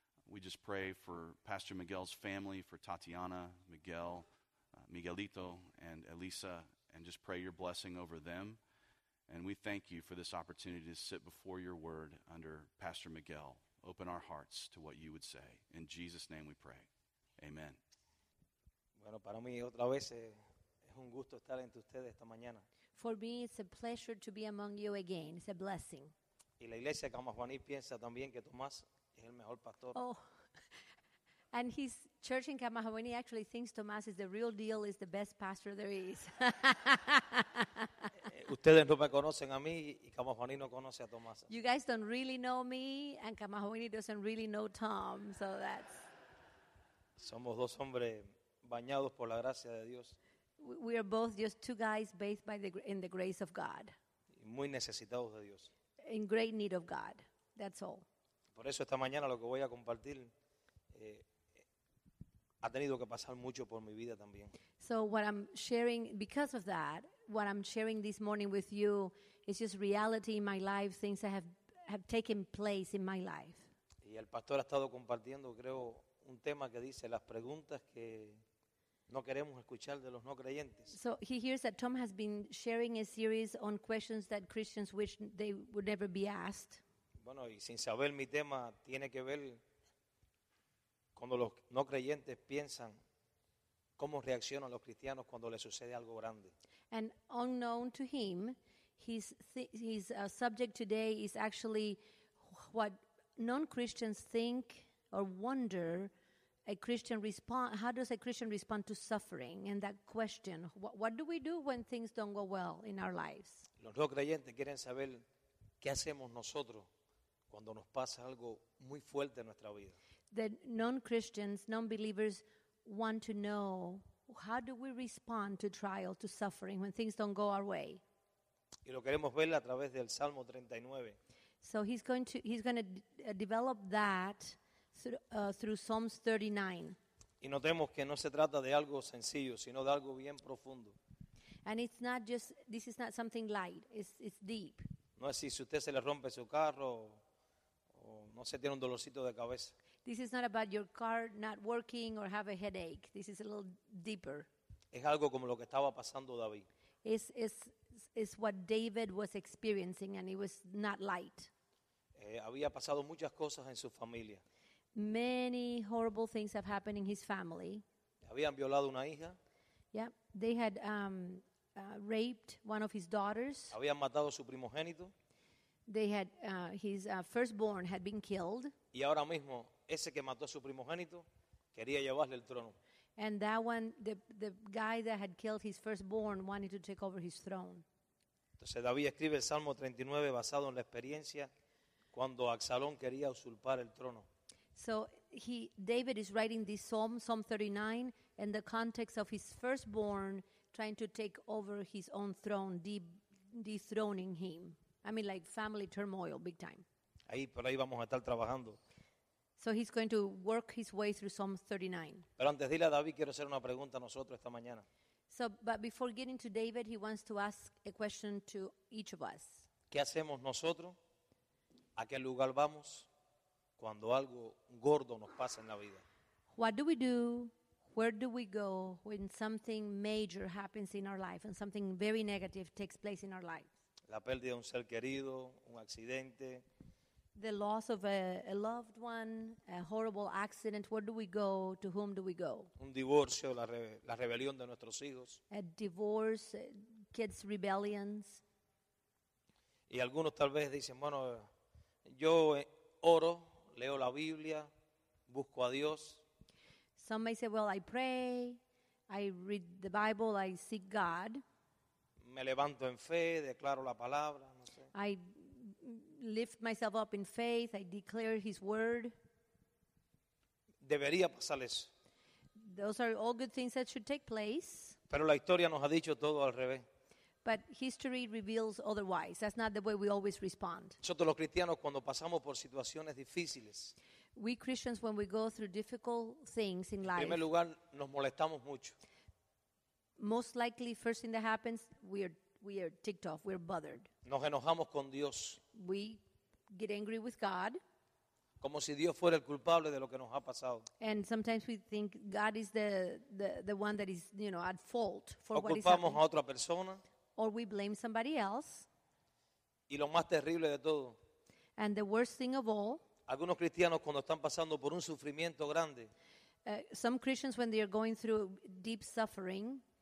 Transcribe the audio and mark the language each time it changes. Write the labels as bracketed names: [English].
[English] We just pray for Pastor Miguel's family, for Tatiana, Miguel, Miguelito and Elisa, and just pray your blessing over them. And we thank you for this opportunity to sit before your word under Pastor Miguel. Open our hearts to what you would say. In Jesus' name we pray. Amen. [Spanish] Bueno, para mí otra vez es un gusto estar entre ustedes esta mañana. [English] For me, it's a pleasure to be among you again. It's a blessing. [Spanish] Y la iglesia de Camajuaní piensa también que Tomás es el mejor pastor. Oh. [English] And his church in Camajuaní actually thinks Tomás is the real deal, is the best pastor there is. [Spanish] Ustedes no me conocen a mí y Camajuaní no conoce a Tomás. [English] You guys don't really know me, and Camajuaní doesn't really know Tom, so that's... [Spanish] Somos dos hombres bañados por la gracia de Dios. [English] We are both just two guys bathed in the grace of God. [Spanish] Y muy necesitados de Dios. [English] In great need of God, that's all. [Spanish] Por eso esta mañana lo que voy a compartir... ha tenido que pasar mucho por mi vida también. [English] So what I'm sharing, because of that, what I'm sharing this morning with you is just reality in my life, things that have taken place in my life. [Spanish] Y el pastor ha estado compartiendo, creo, un tema que dice las preguntas que no queremos escuchar de los no creyentes. [English] So he hears that Tom has been sharing a series on questions that Christians wish they would never be asked. [Spanish] Bueno, y sin saber mi tema tiene que ver cuando los no creyentes piensan cómo reaccionan los cristianos cuando les sucede algo grande. [English] And unknown to him, his subject today is actually what non-Christians think or wonder. A Christian respond, how does a Christian respond to suffering? And that question, what do we do when things don't go well in our lives? [Spanish] Los no creyentes quieren saber qué hacemos nosotros cuando nos pasa algo muy fuerte en nuestra vida. [English] The non-Christians, non-believers want to know, how do we respond to trial, to suffering, when things don't go our way? [Spanish] Y lo queremos ver a través del Salmo 39. [English] So he's going to develop that through Psalms 39. [Spanish] Y notemos que no se trata de algo sencillo, sino de algo bien profundo. [English] And it's not just, this is not something light, it's deep. [Spanish] No es si usted se le rompe su carro o no se tiene un dolorcito de cabeza. [English] This is not about your car not working or have a headache. This is a little deeper. [Spanish] Es algo como lo que estaba pasando David. [English] It's what David was experiencing, and it was not light. [Spanish] Había pasado muchas cosas en su familia. [English] Many horrible things have happened in his family. [Spanish] Habían violado una hija. [English] Yeah, they had raped one of his daughters. [Spanish] Habían matado su primogénito. [English] They had his firstborn had been killed. [Spanish] Y ahora mismo ese que mató a su primogénito quería llevarle el trono. [English] And that one, the guy that had killed his firstborn, wanted to take over his throne. [Spanish] Entonces David escribe el Salmo 39 basado en la experiencia cuando Absalón quería usurpar el trono. [English] So David is writing this psalm, Psalm 39, in the context of his firstborn trying to take over his own throne, dethroning him. I mean, like family turmoil, big time. [Spanish] Ahí, por ahí vamos a estar trabajando. [English] So he's going to work his way through Psalm 39. [Spanish] Pero antes de ir a David, quiero hacer una pregunta a nosotros esta mañana. [English] So, but before getting to David, he wants to ask a question to each of us. [Spanish] ¿Qué hacemos nosotros? ¿A qué lugar vamos? Cuando algo gordo nos pasa en la vida. [English] What do we do? Where do we go when something major happens in our life and something very negative takes place in our life? [Spanish] La pérdida de un ser querido, un accidente. [English] The loss of a loved one, a horrible accident. Where do we go? To whom do we go? [Spanish] Un divorcio, la rebelión de nuestros hijos. [English] A divorce, kids' rebellions. [Spanish] Y algunos tal vez dicen, bueno, yo oro. Leo la Biblia, busco a Dios. [English] Some may say, well, I pray, I read the Bible, I seek God. [Spanish] Me levanto en fe, declaro la palabra, no sé. [English] I lift myself up in faith, I declare his word. [Spanish] Debería pasar eso. [English] Those are all good things that should take place. [Spanish] Pero la historia nos ha dicho todo al revés. [English] But history reveals otherwise. That's not the way we always respond. [Spanish] Nosotros los cristianos cuando pasamos por situaciones difíciles. [English] We Christians, when we go through difficult things in life. [Spanish] En primer lugar, nos molestamos mucho. [English] Most likely, first thing that happens, we are ticked off, we're bothered. [Spanish] Nos enojamos con Dios. [English] We get angry with God. [Spanish] Como si Dios fuera el culpable de lo que nos ha pasado. [English] And sometimes we think God is the one that is, you know, at fault for what is happening. [Spanish] Culpamos a otra persona. [English] Or we blame somebody else. [Spanish] Y lo más terrible de todo. [English] And the worst thing of all. [Spanish] Algunos cristianos cuando están pasando por un sufrimiento grande. [English] Some Christians when they are going through deep suffering.